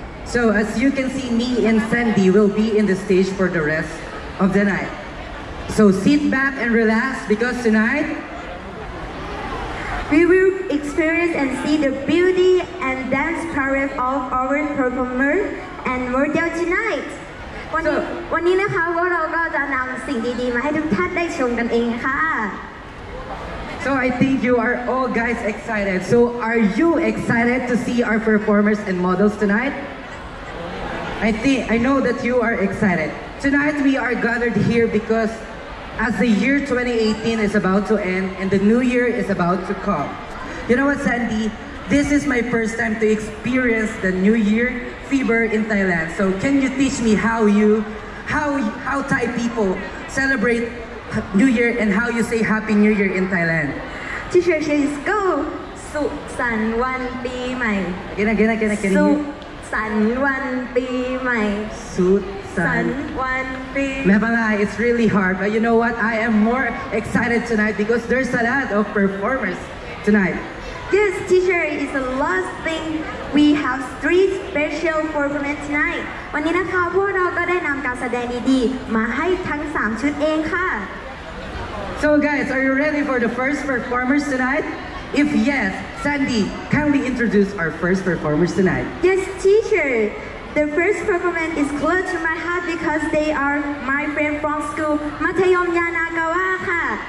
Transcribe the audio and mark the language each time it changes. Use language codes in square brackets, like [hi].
[en] So as you can see, me and Sandy will be in the stage for the rest of the night. So sit back and relax, because tonight we will experience and see the beauty and dance career of our performer and model tonight. [th] วันนี้นะคะเราก็จะนำสิ่งดีๆมาให้ทุกท่านได้ชมกันเองค่ะ [en] So I think you are all guys excited. So are you excited to see our performers and models tonight? I know that you are excited. Tonight we are gathered here because as the year 2018 is about to end and the new year is about to come. You know what, Sandy? This is my first time to experience the new year fever in Thailand. So can you teach me how Thai people celebrate new year and how you say happy new year in Thailand? Teacher says go [th] su san wan pi mai. [en] Again. [th] Su san wan pi mai. Su san wan pi. [en] Mevalai, it's really hard, but you know what? I am more excited tonight because there's a lot of performers tonight. This teacher is the last thing we have three special performance tonight. [th] วันนี้นะคะพวกเราก็ได้นำการแสดงดีๆมาให้ทั้ง3ชุดเองค่ะ [en] So guys, are you ready for the first performers tonight? If yes, Sandy, can we introduce our first performers tonight? Yes, teacher. The first performance is close to my heart because they are my friend from school, Matayom Yanagawa [th] ค่ะ